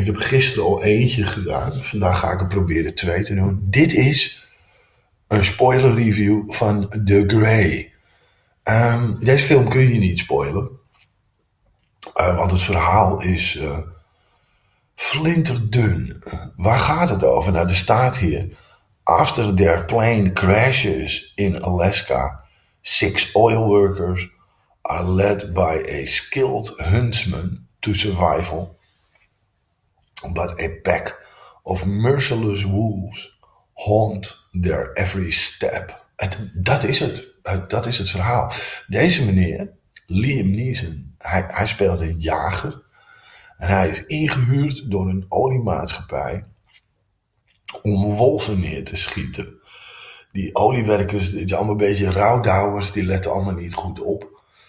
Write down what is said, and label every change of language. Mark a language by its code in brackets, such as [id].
[nl] Ik heb gisteren al eentje gedaan. Vandaag ga ik er proberen twee te doen. Dit is een spoiler review van The Grey. Deze film kun je niet spoilen. Want het verhaal is flinterdun. Waar gaat het over? [en] Nou, er staat hier: after their plane crashes in Alaska, 6 oil workers are led by a skilled huntsman to survival. But a pack of merciless wolves haunt their every step. [nl] Dat is het. Dat is het verhaal. Deze meneer, Liam Neeson, hij speelt een jager. En hij is ingehuurd door een oliemaatschappij om wolven neer te schieten. Die oliewerkers, het is allemaal een beetje rouwdouwers, die letten allemaal niet goed op.